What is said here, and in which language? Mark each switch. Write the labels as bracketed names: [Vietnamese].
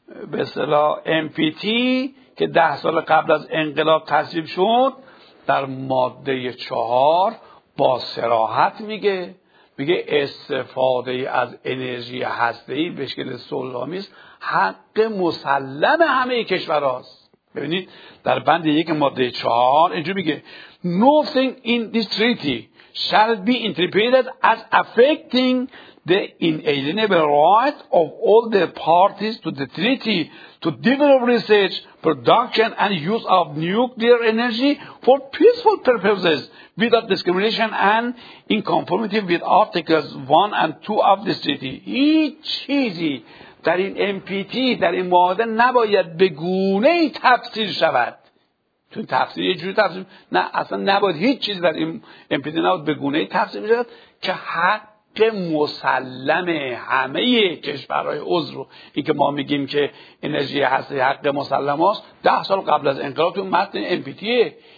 [Persian] به اصطلاح NPT که 10 سال قبل از انقلاب تصویب شد در ماده 4 با صراحت میگه استفاده از انرژی هسته‌ای به شکل سلامیست حق مسلم همه کشور هاست. ببینید در بند 1 ماده 4 اینجور میگه [English] Nothing in this treaty shall be interpreted as affecting the inalienable right of all the parties to the treaty to develop research, production and use of nuclear energy for peaceful purposes without discrimination and in conformity with articles 1 and 2 of this treaty. [Persian] هیچ چیزی در این NPT در این معاهده نباید به گونه ای تفسیر شود. تو تفسیر یه جوری تفسیر نه، اصلا نباید هیچ چیز در این NPT نباید به گونه ای تفسیر شود که حق که مسلم همه کشورهای عضو رو، این که ما میگیم که انرژی هسته‌ای حق مسلم است 10 سال قبل از انقلاب تو متن NPT،